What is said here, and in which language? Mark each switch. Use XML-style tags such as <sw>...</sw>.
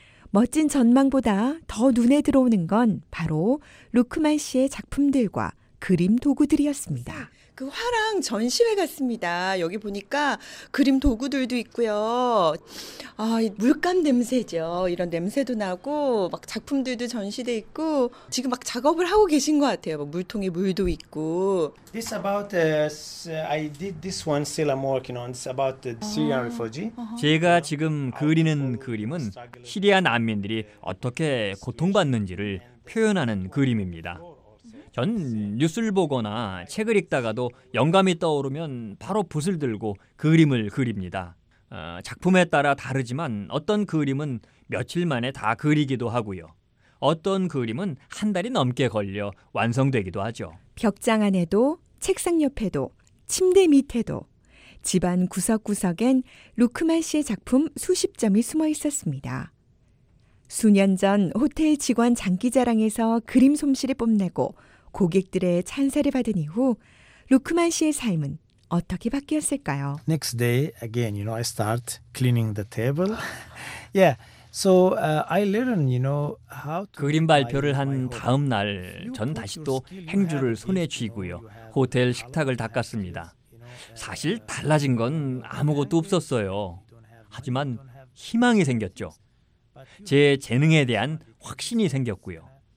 <ko>멋진 전망보다 더 눈에 들어오는 건 바로 루크만 씨의 작품들과 그림 도구들이었습니다. 그 화랑 전시회 같습니다. 여기 보니까 그림 도구들도 있고요. 아, 물감 냄새죠. 이런 냄새도 나고 막 작품들도 전시돼 있고 지금 막 작업을 하고 계신 것 같아요. 막 물통에 물도 있고.</ko> <en>This about I did this one still I'm working on. It's about the Syrian refugee.</en> <ko>제가 지금 그리는 그림은 시리아 난민들이 어떻게 고통받는지를 표현하는 그림입니다. 전 뉴스를 보거나 책을 읽다가도 영감이 떠오르면 바로 붓을 들고 그림을 그립니다. 작품에 따라 다르지만 어떤 그림은 며칠 만에 다 그리기도 하고요. 어떤 그림은 한 달이 넘게 걸려 완성되기도 하죠. 벽장 안에도, 책상 옆에도, 침대 밑에도, 집안 구석구석엔 루크만 씨의 작품 수십 점이 숨어 있었습니다. 수년 전 호텔 직원 장기자랑에서 그림 솜씨를 뽐내고 고객들의 찬사를 받은 이후 루크만 씨의 삶은 어떻게 바뀌었을까요?</ko> <en>Next day, again, you know, I start cleaning the table. Yeah, so I learn, you know, how to.</en> <ko>그림 발표를 한 다음 날, 전 다시 또 행주를 손에 쥐고요. 호텔 식탁을 닦았습니다. 사실 달라진 건 아무것도 없었어요. 하지만 희망이 생겼죠. 제 재능에 대한 확신이 생겼고요.</ko>